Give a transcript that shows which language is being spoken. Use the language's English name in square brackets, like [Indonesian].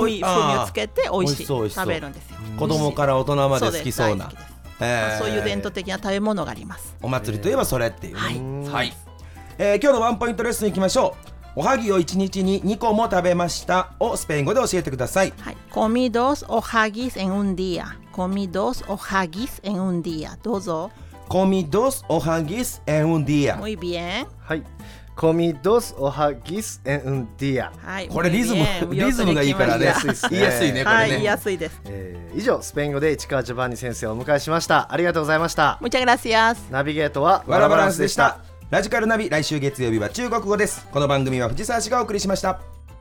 [Japanese] 風味をつけて美味しい、美味しそう、食べるんですよ。子供から大人まで好きそうな、そういう伝統的な食べ物があります。お祭りといえばそれっていう、はい、はい。今日のワンポイントレッスンいきましょう。おはぎを1日に2個も食べましたをスペイン語で教えてください。 [Spanish] はい、comí dos ojagis en un día. comí dos ojagis en un día. [Japanese] どうぞ。 [Spanish] comí dos ojagis en un día. muy bien. はい、comí dos ojagis en un día。 [Japanese] はい、これリズムがいいからね、言いやすいね、これね。はい、言いやすいです。以上、スペイン語で市川ジョバンニ先生をお迎えしました。ありがとうございました。 [Spanish] muchas gracias。 [Japanese] ナビゲートはワラバランスでした。ラジカルナビ、来週月曜日は中国語です。この番組は藤沢氏がお送りしました。